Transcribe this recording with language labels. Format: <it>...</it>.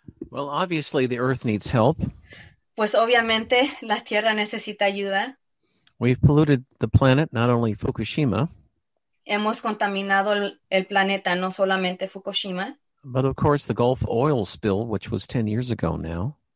<en>Well, obviously the earth needs help.</en> <es>Pues obviamente la tierra necesita ayuda.</es> <en>We've polluted the planet, not only Fukushima.</en> <es>Hemos contaminado el planeta, no solamente Fukushima.</es> <en>But of course, the Gulf oil spill, which was 10 years ago now.</en>